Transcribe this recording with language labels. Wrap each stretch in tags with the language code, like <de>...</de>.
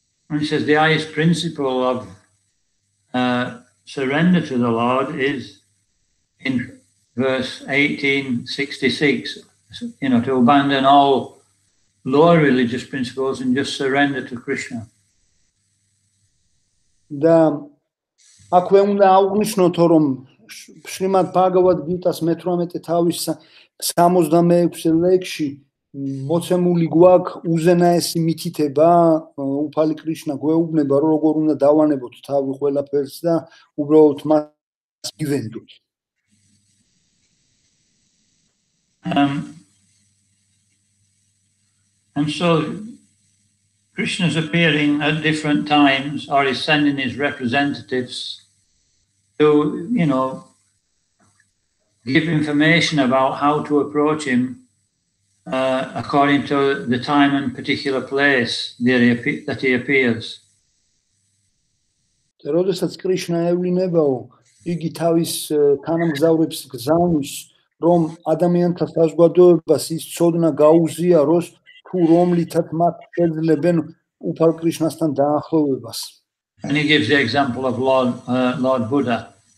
<en>And he says the highest principle of surrender to the Lord is in verse 1866, you know, to abandon all lower religious principles and just surrender to Krishna. Да.</en> <ka>აქვე უნდა აღვნიშნოთ რომ შრიმად ბაგავად გიტას 18 თავის 66 ლექსში მოცემული გვაქვს უზენაესი მითითება უფალი კრიშნა გვეუბნება რომ როგორ უნდა დავანებოთ თავი ყველაფერს და უბრალოდ მას გივენდოთ.</ka> <en>And so Krishna's appearing at different times or is sending his representatives to, you know, give information about how to approach him according to the time and particular place that he appears.</en> <ka>როდესაც კრიშნა ევლინებაო, იგი თავის თანამგზავრებს გზავნის, რომ ადამიანთა საზოგადოებას ის ცოდნა გაუზიაროს თუ რომლითაც მათ შეძლებენ უფალ კრიშნასთან დაახლოვებას.</ka> <en>And he gives the example of Lord Buddha.</en>